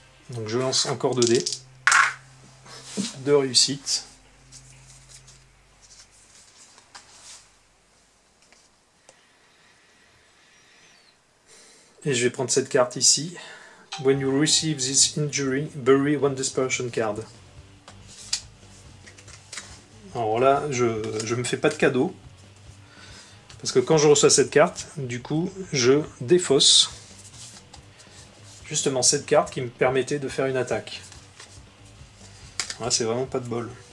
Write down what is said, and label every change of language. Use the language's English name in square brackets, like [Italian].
[French] Donc, je lance encore 2 dés. Deux réussites. Et je vais prendre cette carte ici. [English] When you receive this injury, bury one dispersion card. [French] Alors là, je ne me fais pas de cadeau. Parce que quand je reçois cette carte, du coup, je défausse justement cette carte qui me permettait de faire une attaque. Voilà, c'est vraiment pas de bol.